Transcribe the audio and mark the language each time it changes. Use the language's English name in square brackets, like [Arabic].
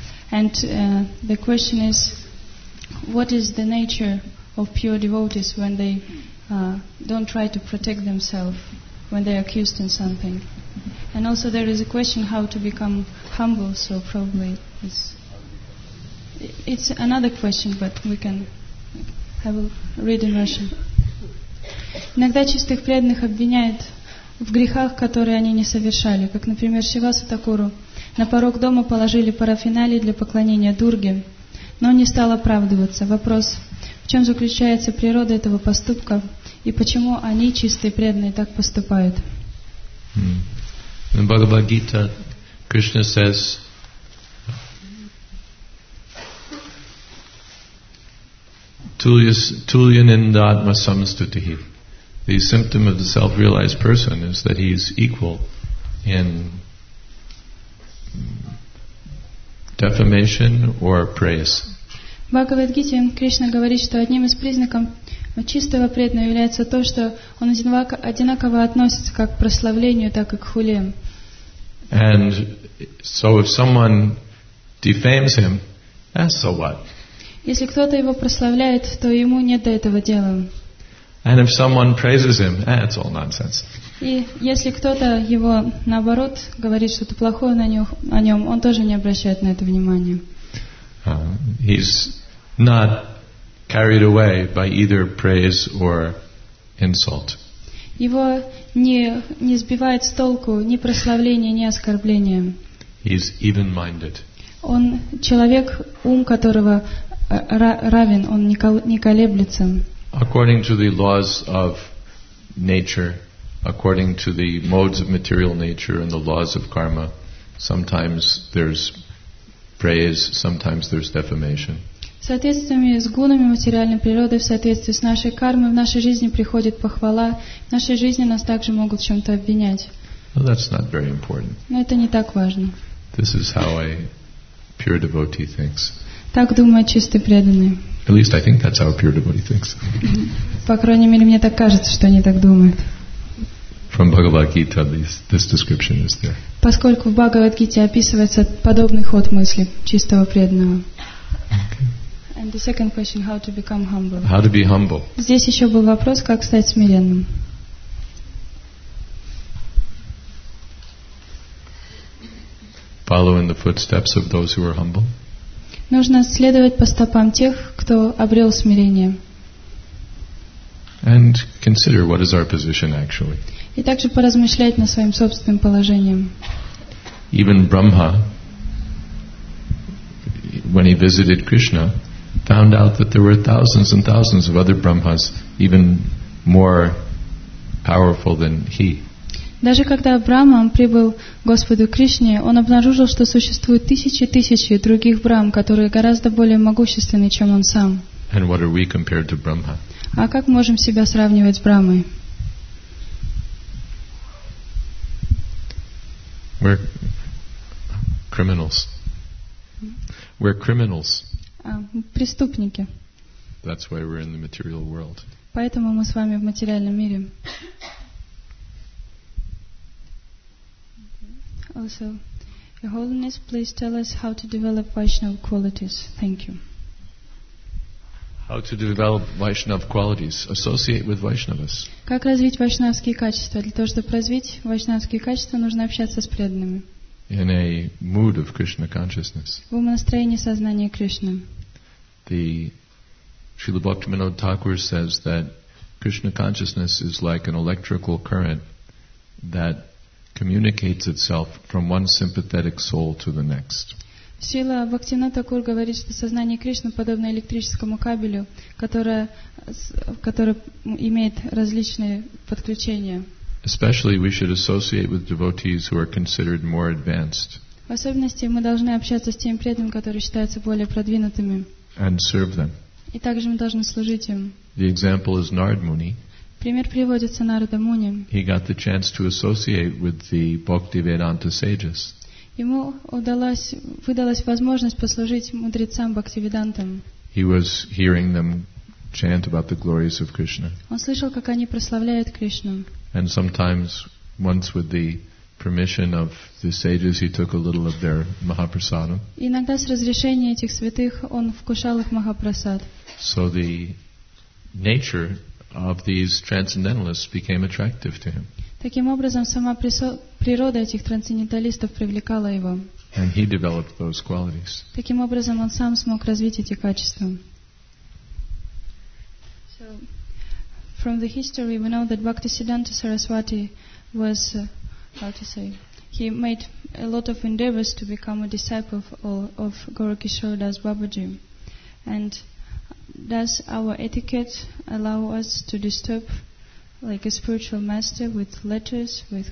[English] The question is, what is the nature of pure devotees when they don't try to protect themselves when they're accused in something? And also there is a question how to become humble, so probably it's another question, but we can have a read in Russian. [Russian] Иногда чистых преданных обвиняют в грехах, которые они не совершали, как, например, Шивасатакуру. На порог дома положили парафиналии для поклонения Дурге, но не стал оправдываться. Вопрос, в чем заключается природа этого поступка? И почему они, чистые преданные, так поступают? [English] In Bhagavad Gita, Krishna says, [Sanskrit] Tulya Nindatma Samastutihi. [English] The symptom of the self-realized person is that he is equal in defamation or praise. [Russian] Bhagavad Gita, Krishna говорит, что одним из признаков чистого преданного является то, что он одинаково относится как к прославлению, так и к хуле. [English] And so if someone defames him, that's so what? [Russian] Если кто-то его прославляет, то ему нет до этого дела. [English] And if someone praises him, that's all nonsense. [Russian] И если кто-то его, наоборот, говорит что-то плохое о нем, он тоже не обращает на это внимания. [English] He's not carried away by either praise or insult. [Russian] Его не сбивает с толку ни прославление, ни оскорбление. [English] He's even-minded. [Russian] Он человек, ум которого равен, он не колеблется. [English] According to the laws of nature, according to the modes of material nature and the laws of karma, sometimes there's praise, sometimes there's defamation. [Russian] В соответствии с гунами материальной природы, в соответствии с нашей кармой, в нашей жизни приходит похвала. В нашей жизни нас также могут чем-то обвинять. [English] Well, that's not very important. [Russian] Но это не так важно. [English] This is how a pure devotee thinks. [Russian] Так думает чистый преданный. [English] At least I think that's how a pure devotee thinks. [Russian] По крайней мере, мне так кажется, что они так думают. [English] From Bhagavad Gita, this description is there. [Russian] Поскольку в Бхагавад Гите описывается подобный ход мысли чистого преданного. [English] Okay. And the second question, how to become humble. How to be humble. [Russian] Здесь еще был вопрос, как стать смиренным. [English] Follow in the footsteps of those who are humble. [Russian] Нужно следовать по стопам тех, кто обрел смирение. [English] And consider what is our position actually. [Russian] И также поразмышлять над своим собственным положением. [English] Even Brahma, when he visited Krishna, found out that there were thousands and thousands of other Brahmas, even more powerful than he. [Russian] Даже когда Брахма прибыл к Господу Кришне, он обнаружил, что существует тысячи и тысячи других Брахм, которые гораздо более могущественны, чем он сам. [English] And what are we compared to Brahma? [Russian] А как можем себя сравнивать с Брахмой? [English] We're criminals. We're criminals. [Russian] Преступники. [English] That's why we're in the material world. [Russian] Поэтому мы с вами в материальном мире. [English] Also, Your Holiness, please tell us how to develop Vaishnava qualities. Thank you. How to develop Vaishnava qualities? Associate with Vaishnavas. [Russian] Как развить вайшнавские качества? Для того, чтобы развить вайшнавские качества, нужно общаться с преданными. [English] In a mood of Krishna consciousness. [Russian] В настроении сознания Кришны. [English] The Srila Bhaktivinoda Thakur says that Krishna consciousness is like an electrical current that communicates itself from one sympathetic soul to the next. [Russian] Сила Бхактивинода Такур говорит, что сознание Кришны подобно электрическому кабелю, который имеет различные подключения. [English] Especially we should associate with devotees who are considered more advanced. [Russian] В особенности мы должны общаться с теми преданными, которые считаются более продвинутыми. [English] And serve them. [Russian] И также мы должны служить им. [English] The example is Narad Muni. [Russian] Пример приводится Нарада Муни. [English] He got the chance to associate with the Bhaktivedanta sages. [Russian] Ему выдалась возможность послужить мудрецам Бхактивидантам. [English] He was hearing them chant about the glories of Krishna. [Russian] Он слышал, как они прославляют Кришну. [English] And sometimes, once with the permission of the sages, he took a little of their Mahaprasadam. [Russian] Иногда с разрешения этих святых он вкушал их Махапрасад. [English] So the nature of these transcendentalists became attractive to him. [Russian] Таким образом, сама природа этих трансценденталистов привлекала его. [English] And he developed those qualities. [Russian] Таким образом, он сам смог развить эти качества. [English] So, from the history, we know that Bhaktisiddhanta Saraswati was, he made a lot of endeavors to become a disciple of Guru Kishore Das Babaji. And does our etiquette allow us to disturb like a spiritual master with letters, with